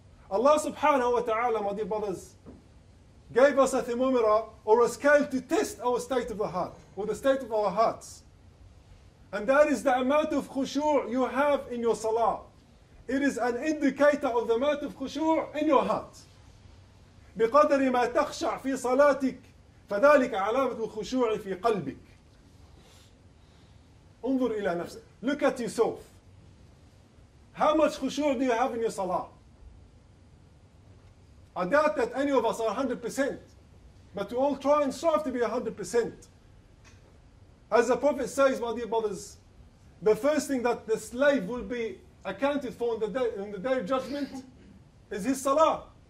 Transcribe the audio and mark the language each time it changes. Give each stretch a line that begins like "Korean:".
English: Allah subhanahu wa ta'ala, my dear brothers, gave us a thermometer or a scale to test our state of the heart, or the state of our hearts. And that is the amount of khushu' you have in your salah. It is an indicator of the amount of khushu' in your heart.
Arabic: بقدر ما تخشع في صلاتك فذلك علامة الخشوع في قلبك. انظر إلى نفسك.
English: Look at yourself. How much khushu' do you have in your salah? I doubt that any of us are 100%. But we all try and strive to be 100%. As the Prophet says, my dear brothers, the first thing that the slave will be accounted for on the day of judgment is his salah.